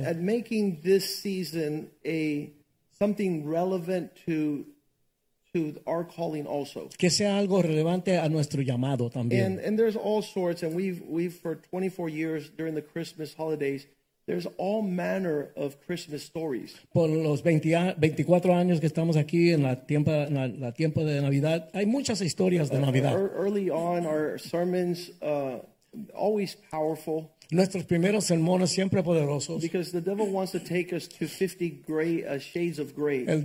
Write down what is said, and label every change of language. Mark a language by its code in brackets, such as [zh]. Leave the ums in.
[en] At, at making this season a something relevant to to our calling also. [es] Que sea algo relevante a nuestro llamado también. [en] And, and there's all sorts, and we've we've for 24 years during the Christmas holidays. There's all manner of Christmas stories. [es] Por los 20, a, 24 años que estamos aquí en la tiempo, en la, la tiempo de Navidad, hay muchas historias de Navidad. Uh, [en] early on, our sermons. Uh, always powerful. [es] Nuestros primeros sermones siempre poderosos. Because [en] the devil wants to take us to 50 gray, shades of gray. El